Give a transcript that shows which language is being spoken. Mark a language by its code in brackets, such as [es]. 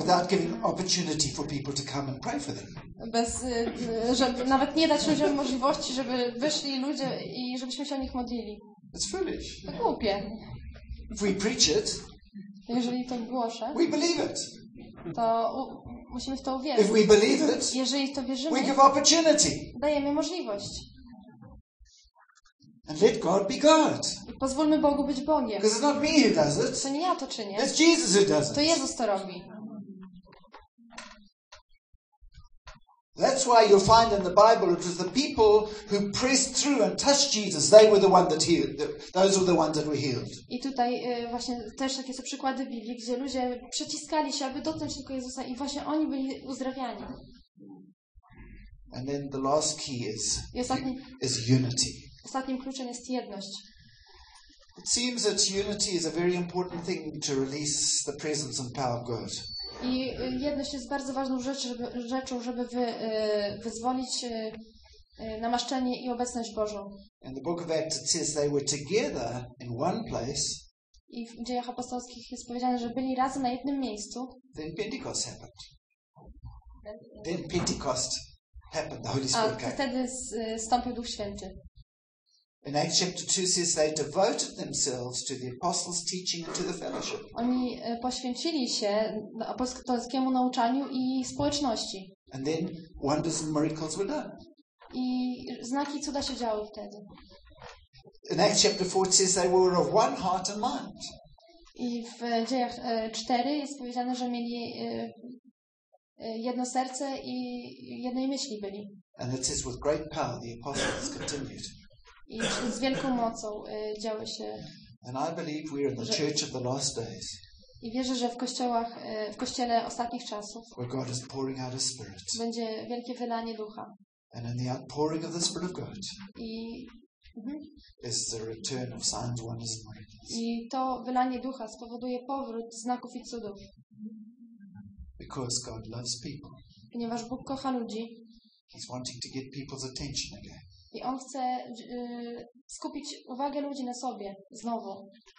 [en] Without giving opportunity for people to come and pray for them. [pl] Bez, żeby nawet nie dać ludziom możliwości, żeby wyszli ludzie i żebyśmy się o nich modlili. [en] It's foolish. [pl] To głupie. [en] If we preach it, [pl] jeżeli to głoszę, [en] we believe it. [pl] To musimy w to uwierzyć. [en] If we believe it, [pl] jeżeli to wierzymy, [en] we give opportunity. [pl] Dajemy możliwość. [en] And let God be God. [pl] Pozwólmy Bogu być Bogiem. [en] Because it's not me who does it. [pl] To nie ja to czynię. [en] It's Jesus who does it. [pl] To Jezus to robi. [en] That's why you'll find in the Bible it was the people who pressed through and touched Jesus. They were the ones that healed. Those were the ones that were healed. [pl] I tutaj właśnie też takie są przykłady w Biblii, gdzie ludzie przeciskali się, aby dotknąć tylko Jezusa, i właśnie oni byli uzdrawiani. [en] And then the last key is unity. [pl] Ostatnim kluczem jest jedność. [en] It seems that unity is a very important thing to release the presence and power of God. [pl] I jedność jest bardzo ważną rzeczą, żeby wyzwolić namaszczenie i obecność Bożą. [en] In the book of Acts it says they were together in one place. [pl] I w Dziejach Apostolskich jest powiedziane, że byli razem na jednym miejscu. [en] Then Pentecost happened. Then Pentecost happened. The Holy Spirit came. [pl] A wtedy stąpił Duch Święty. [en] In Acts chapter 2 says they devoted themselves to the apostles' teaching and to the fellowship. [pl] Oni poświęcili się apostolskiemu nauczaniu i społeczności. [en] And then wonders and miracles were done. [pl] I znaki, cuda się działy wtedy. [en] In Acts chapter 4 says they were of one heart and mind. [pl] I w Dziejach 4 jest powiedziane, że mieli jedno serce i jednej myśli byli. [en] And it says with great power the apostles continued. [pl] I z wielką mocą działy się. [en] And I believe we're in the church of the last days. [pl] I wierzę, że w kościele ostatnich czasów, [en] where God is pouring out his spirit. [pl] Będzie wielkie wylanie ducha. [en] And in the outpouring of the Spirit of God. [pl] I [en] is the return of signs, wonders, and miracles. [pl] I to wylanie ducha spowoduje powrót znaków i cudów. [en] Because God loves people. [pl] Ponieważ Bóg kocha ludzi. [en] He's wanting to get people's attention again. [pl] I on chce skupić uwagę ludzi na sobie znowu.